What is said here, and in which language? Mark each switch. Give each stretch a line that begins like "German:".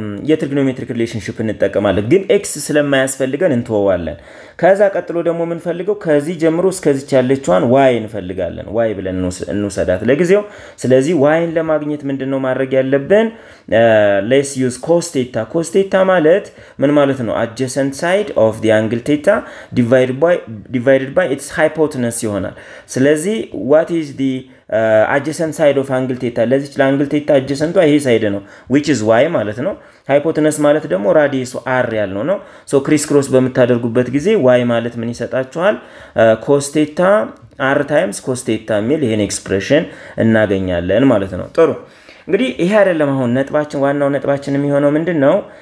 Amharic: የትሪግኖሜትሪክ ሪሌሽንሺፕ እንጠቀማለን። ግን x ስለማያስፈልገን እንተዋዋለን። ከዛ ቀጥሎ ደግሞ ምን ፈልገው ከዚህ ጀምሮ እስከዚህ ያለችዋን y እንፈልጋለን። y ብለን እንወስዳት ለጊዜው። ስለዚህ y ለማግኘት ምንድነው ማድረግ ያለብን?
English: let's use cos theta. cos theta
Amharic: ማለት ምን ማለት ነው?
English: adjacent side of the angle theta divided by its hypotenuse
Amharic: ይሆናል። ስለዚህ
English: what is the adjacent side of angle theta?
Amharic: ለዚህ ለangle theta adjacent ይሄ side ነው
English: which is y
Amharic: ማለት ነው። hypotenuse ማለት ደግሞ radius r ያለው ነው። so criss cross በመታደርጉበት ጊዜ y ማለት ምን ይሰጣችኋል? cos theta r times cos theta ማለት ይሄን expression እናገኛለን ማለት ነው። ጥሩ እንግዲህ ይሄ አይደለም አሁን ነጥባችን። ዋናው ነጥባችን የሚሆነው ምንድነው?